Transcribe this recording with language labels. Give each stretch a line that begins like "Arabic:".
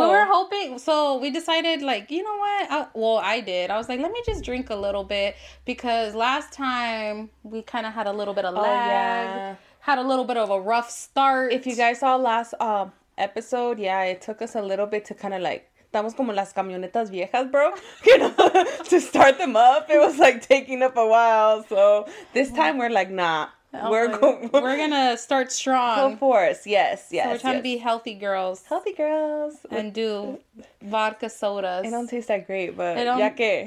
English: We were hoping, so we decided, like, you know what? I was like, let me just drink a little bit because last time we kind of had a little bit of lag, had a little bit of a rough start. If you guys saw last episode, yeah, it took us a little bit to kind of like.
Spanish: Estamos como las camionetas viejas, bro.
English: You know, to start them up, it was like taking up a while. So this time we're like, nah. We're going to start strong. Go for us. Yes, yes. So we're trying yes. to be healthy girls. Healthy girls. And do vodka sodas. It don't taste that great, but
Spanish: ya que.